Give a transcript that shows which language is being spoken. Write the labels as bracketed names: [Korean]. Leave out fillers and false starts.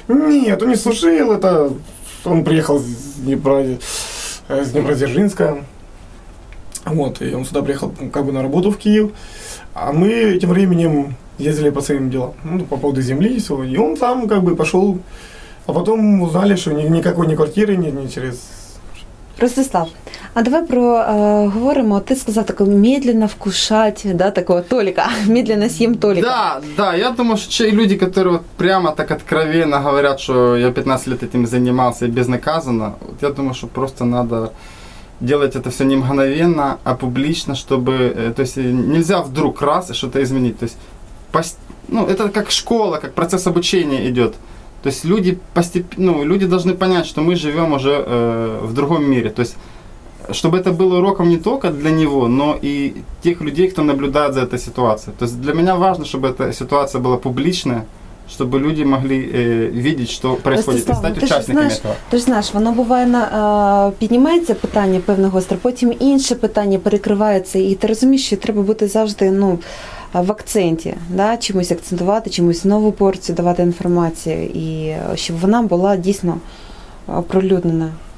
[Russian] Нет, он не служил, это он приехал с Днепродзержинска. Вот, и он сюда приехал как бы на работу в Киев. А мы тем временем ездили по своим делам, ну, по поводу земли и всего. И он там как бы пошел, а потом узнали, что никакой ни квартиры, ни через... [Ukrainian] Ростислав, а давай проговоримо, ти сказав таке, медленно вкушати, да, такого толіка, медленно с'їм толіка. Так, да, я думаю, що люди, які прямо так откровенно говорять, що я 15 років цим займався і безнаказано, от я думаю, що просто треба робити це все не мгновенно, а публічно, щоб, тобто, не можна вдруг раз і щось змінити. Тобто, ну, це як школа, як процес навчання йде. [Russian] То есть люди постепенно, ну, люди должны понять, что мы живем уже в другом мире. То есть, чтобы это было уроком не только для него, но и тех людей, кто наблюдает за этой ситуацией. То есть для меня важно, чтобы эта ситуация была публичная, чтобы люди могли видеть, что происходит, [Ukrainian] Ростислав, [Russian] и стать участниками ж, знаешь, этого. Ты же знаешь, [Ukrainian] воно буває, піднімається питання певного острова, потім інше питання перекривається, і ти розумієш, що треба бути завжди, ну, в акценті, да, чимось акцентувати, чимось нову порцію давати інформацію, і щоб вона була дійсно оприлюднена.